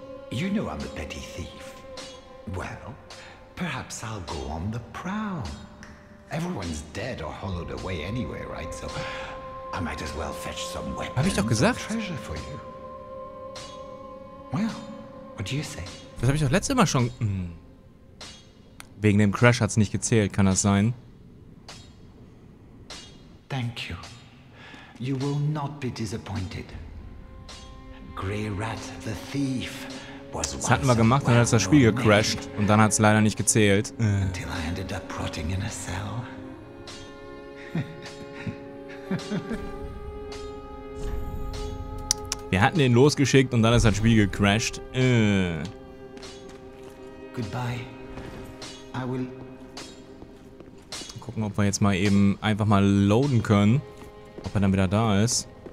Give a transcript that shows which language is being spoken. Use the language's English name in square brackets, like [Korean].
[English] You know I'm a petty thief. Well, perhaps I'll go on the prowl. Everyone's dead or hollowed away anyway, right? So I might as well fetch some weapons. [German] Hab ich doch gesagt. [English] Treasure for you. Well, what do you say? [German] Das habe ich doch letztes Mal schon. Wegen dem Crash hat's nicht gezählt, kann das sein? [English] Thank you. You will not be disappointed. Grey Rat the Thief was once. [German] Das hatten wir gemacht, dann hat das Spiel gecrashed und dann hat's leider nicht gezählt. [English] Until I ended up rotting in a cell. [German] Wir hatten den losgeschickt und dann ist das Spiel gecrashed. [English] Goodbye. I will. [German] Gucken, ob wir jetzt mal eben einfach mal loaden können. Ob er dann wieder da ist.